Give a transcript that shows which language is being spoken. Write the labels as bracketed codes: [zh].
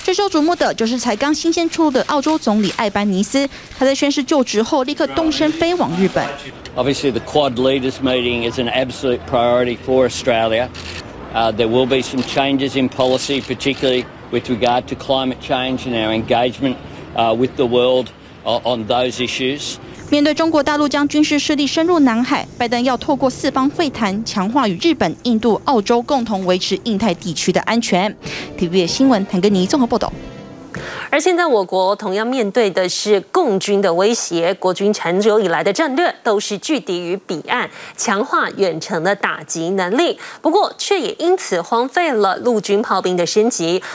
[zh] 瞩目的就是才刚新鲜出炉的澳洲总理艾班尼斯，他在宣誓就职后立刻动身飞往日本。 [en] Obviously, the Quad Leaders meeting is an absolute priority for Australia. There will be some changes in policy, particularly with regard to climate change and our engagement with the world on those issues. [zh] 面对中国大陆将军事势力深入南海，拜登要透过四方会谈强化与日本、印度、澳洲共同维持印太地区的安全。 TVBS 新闻谭根妮综合报道。而现在我国同样面对的是共军的威胁，国军长久以来的战略都是拒敌于彼岸，强化远程的打击能力，不过却也因此荒废了陆军炮兵的升级。